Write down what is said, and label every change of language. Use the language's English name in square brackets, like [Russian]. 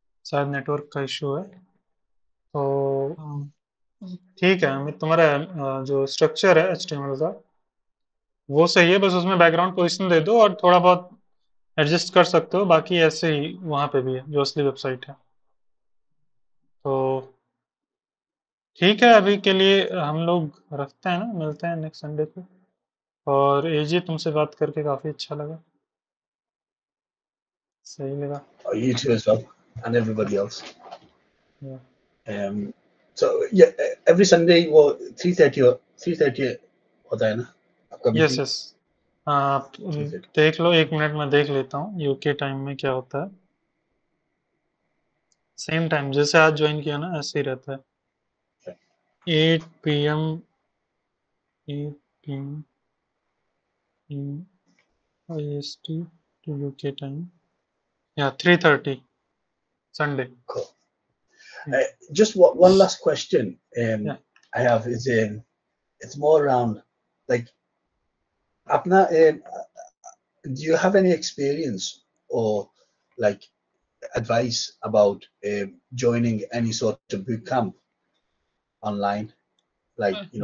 [Hindi] शायद नेटवर्क का इशू है, तो ठीक है अमित, तुम्हारा जो स्ट्रक्चर है HTML का वो सही है, बस उसमें बैकग्राउंड पोजीशन दे दो और थोड़ा बहुत एडजस्ट कर सकते हो, बाकी ऐसे ही वहाँ पे भी है जो असली वेबसाइट है। तो ठीक है अभी के लिए हम लोग रखते हैं ना, मिलते हैं नेक्स्ट संडे को, और एजी तुमसे बात करके काफ़ी अच्छा लगा, सही लगा। [English] You too as well, and everybody else. So yeah, every Sunday, well, 3:30 [Hindi] होता है ना? [English] Yes, yes. [Hindi] आप देख लो, एक मिनट में देख लेता हूँ यूके टाइम में क्या होता है, सेम टाइम जैसे आज ज्वाइन किया ना ऐसे ही रहता है, 8 PM, 8 PM IST to UK time, या 3:30 Sunday. [English] Just one last question I have is it's more around like apna, do you have any experience or like advice about joining any sort of boot camp online, like